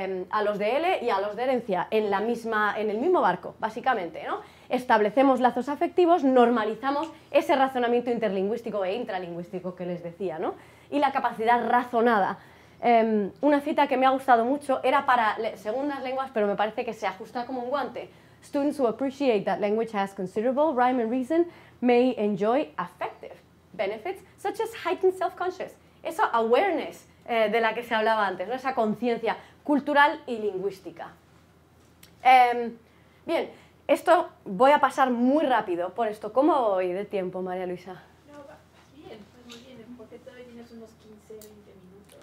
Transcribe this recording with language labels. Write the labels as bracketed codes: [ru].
[es] a los de L y a los de herencia en la misma, en el mismo barco, básicamente, ¿no? Establecemos lazos afectivos, normalizamos ese razonamiento interlingüístico e intralingüístico que les decía, ¿no? Y la capacidad razonada. Una cita que me ha gustado mucho era para segundas lenguas, pero me parece que se ajusta como un guante. [en] Students who appreciate that language has considerable rhyme and reason may enjoy affective benefits such as heightened self-conscious. [es] Esa awareness de la que se hablaba antes, ¿no? Esa conciencia cultural y lingüística. Bien, esto voy a pasar muy rápido por esto. ¿Cómo voy de tiempo, María Luisa? No, pues bien, muy bien, porque todavía tienes unos 15, 20 minutos.